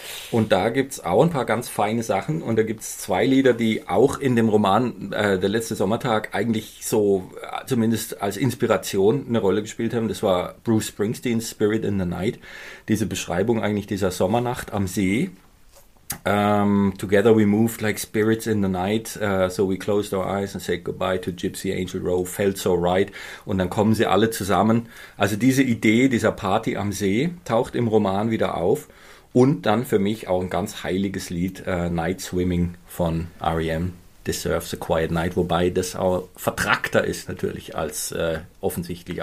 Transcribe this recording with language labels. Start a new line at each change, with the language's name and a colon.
German: Und da gibt es auch ein paar ganz feine Sachen. Und da gibt es zwei Lieder, die auch in dem Roman Der letzte Sommertag eigentlich so zumindest als Inspiration eine Rolle gespielt haben. Das war Bruce Springsteens Spirit in the Night. Diese Beschreibung eigentlich dieser Sommernacht am See.
English: Together we moved like spirits in the night, so we closed our eyes and said goodbye to Gypsy Angel Row, felt so right.
German: Und dann kommen sie alle zusammen. Also diese Idee dieser Party am See taucht im Roman wieder auf. Und dann für mich auch ein ganz heiliges Lied, Night Swimming von R.E.M., Deserves a Quiet Night, wobei das auch vertrackter ist natürlich als offensichtlich.